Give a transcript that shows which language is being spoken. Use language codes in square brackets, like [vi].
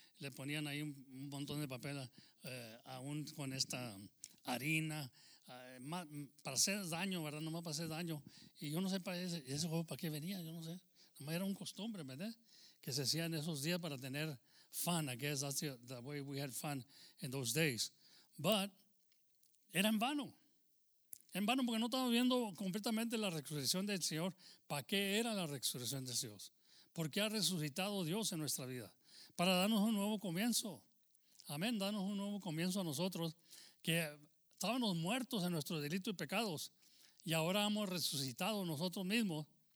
[es] Le ponían ahí un montón de papel aún con esta harina, para hacer daño, ¿verdad? Nomás para hacer daño. Y yo no sé para ese juego para qué venía, yo no sé. Nomás era un costumbre, ¿verdad? Que se hacían esos días para tener fun. [en] I guess that's the way we had fun in those days. But [es] era en vano. En vano porque no estábamos viendo completamente la resurrección del Señor. ¿Para qué era la resurrección de Dios? ¿Por qué ha resucitado Dios en nuestra vida? Para darnos un nuevo comienzo. Amén, danos un nuevo comienzo a nosotros que estábamos muertos en nuestros delitos y pecados y ahora hemos resucitado nosotros mismos.